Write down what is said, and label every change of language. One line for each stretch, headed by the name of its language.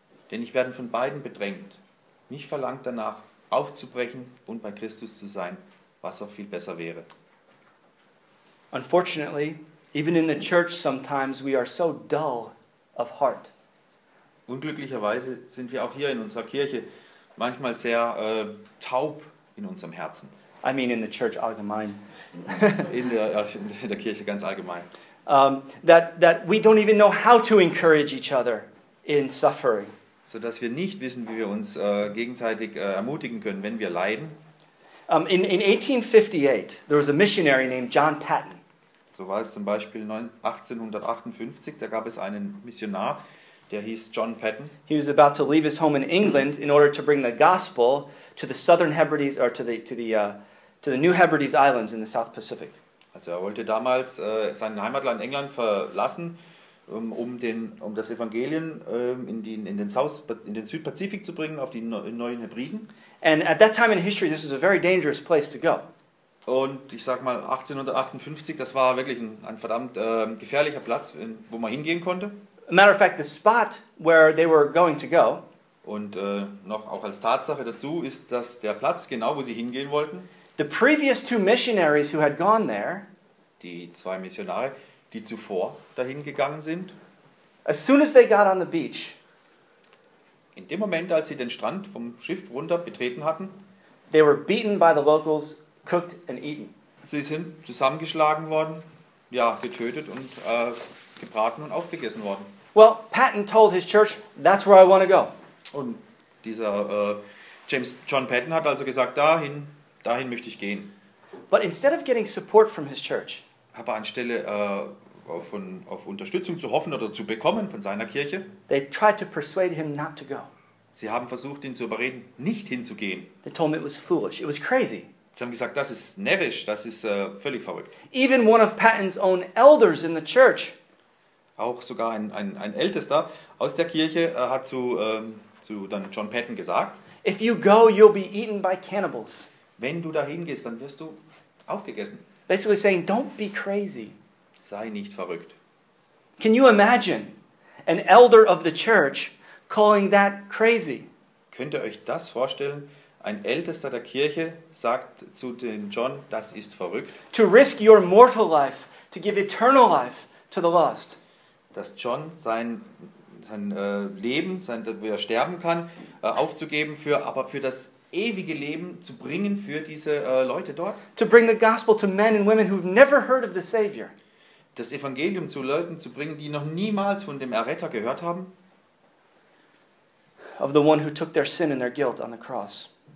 German: Denn ich werde von beiden bedrängt. Mich verlangt danach, aufzubrechen und bei Christus zu sein, was auch viel besser wäre.
English: Unfortunately, even in the church sometimes we are so dull of heart.
German: Unglücklicherweise sind wir auch hier in unserer Kirche manchmal sehr taub in unserem Herzen.
English: I mean in the church allgemein.
German: in der Kirche ganz allgemein.
English: That we don't even know how to encourage each other in suffering.
German: So dass wir nicht wissen, wie wir uns gegenseitig ermutigen können, wenn wir leiden.
English: In 1858, there was a missionary named John Patton.
German: So war es zum Beispiel 1858, da gab es einen Missionar, der hieß John Patton.
English: He was about to leave his home in England in order to bring the gospel to the Southern Hebrides or to the New Hebrides Islands in the South Pacific.
German: Also er wollte damals sein Heimatland England verlassen, um das Evangelium in den Südpazifik zu bringen, auf die neuen Hebriden.
English: And at that time in history, this was a very dangerous place to go.
German: Und ich sag mal 1858, das war wirklich ein verdammt gefährlicher Platz, wo man hingehen konnte.
English: A matter of fact, the spot where they were going to go.
German: Und noch auch als Tatsache dazu ist, dass der Platz genau, wo sie hingehen wollten.
English: The previous two missionaries who had gone there.
German: Die zwei Missionare, die zuvor dahin gegangen sind.
English: As soon as they got on the beach.
German: In dem Moment, als sie den Strand vom Schiff runter betreten hatten,
English: they were beaten by the locals, cooked and eaten.
German: Sie sind zusammengeschlagen worden, ja, getötet und gebraten und aufgegessen worden.
English: Well, Patton told his church, that's where I want to go.
German: Und dieser John Patton hat also gesagt, dahin möchte ich gehen.
English: But instead of getting support from his church,
German: aber anstelle auf Unterstützung zu hoffen oder zu bekommen von seiner Kirche.
English: They tried to persuade him not to go.
German: Sie haben versucht, ihn zu überreden, nicht hinzugehen.
English: They told him it was foolish. It was crazy.
German: Sie haben gesagt, das ist närrisch, das ist völlig verrückt.
English: Even one of Patton's own elders in the church.
German: Auch sogar ein Ältester aus der Kirche hat zu dann John Patton gesagt.
English: If you go, you'll be eaten by cannibals.
German: Wenn du dahin gehst, dann wirst du aufgegessen.
English: Basically saying, don't be crazy.
German: Sei nicht verrückt.
English: Can you imagine an elder of the church calling that crazy?
German: Könnt ihr euch das vorstellen? Ein Ältester der Kirche sagt zu dem John, das ist verrückt.
English: To risk your mortal life to give eternal life to the lost.
German: Dass John sein Leben, sein, wo er sterben kann, aufzugeben für das ewige Leben zu bringen für diese Leute dort.
English: To bring the gospel to men and women who've never heard of the Savior.
German: Das Evangelium zu Leuten zu bringen, die noch niemals von dem Erretter gehört haben.
English: Of the one who took their sin and their guilt on the cross.